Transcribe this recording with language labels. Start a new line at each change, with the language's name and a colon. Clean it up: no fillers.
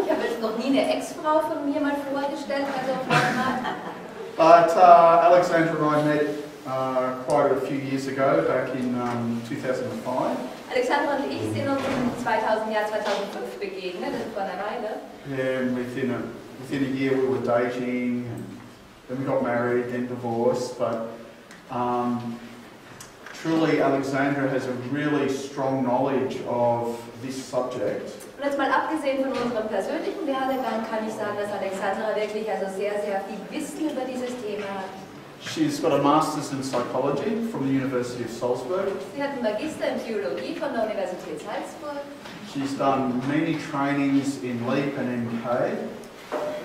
German: Ich habe jetzt noch nie eine Ex-Frau von mir mal vorgestellt, also auf einmal.
English: But Alexandra and I met quite a few years ago, back in 2005.
German: Alexandra und ich sind uns im 2005 begegnet, das ist vor einer Weile.
English: And within a year we were dating, and then we got married, then divorced. But truly, Alexandra has a really strong knowledge of this subject.
German: Und jetzt mal abgesehen von unserem persönlichen Werdegang kann ich sagen, dass Alexandra wirklich also sehr, sehr viel Wissen über dieses Thema hat.
English: She's got a master's in psychology from the University of Salzburg.
German: Sie hat einen Magister in Psychologie von der Universität Salzburg.
English: She's done many trainings in LEAP and MK.